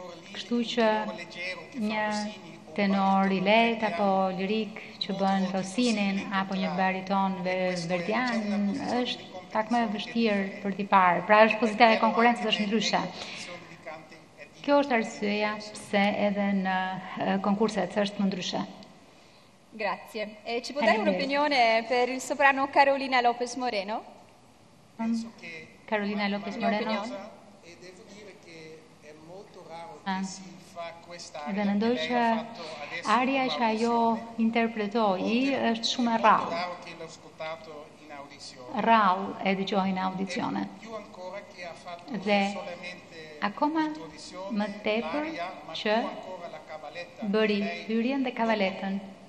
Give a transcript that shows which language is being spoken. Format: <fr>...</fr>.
<sq>Kështu që një tenor i lehtë, apo lirik që bënë Rosinin, apo një bariton Verdian, është pak më vështirë për t'i parë. Pra është pozitë e konkurencës është ndryshe. Kjo është arsyeja pse edhe në konkurset është më ndryshe.</sq> <it>Grazie. E ci può dare un'opinione per il soprano Carolina Lopez Moreno? Carolina Lopez Moreno? E devo dire che è molto raro che si fa quest'aria.</it> <sq>Dhe mendoj që aria që ajo interpretoi është shumë e rrallë. Rrallë e dëgjoj në audicione. Dhe akoma më tepër që bëri hyrjen dhe kavaletën.</sq>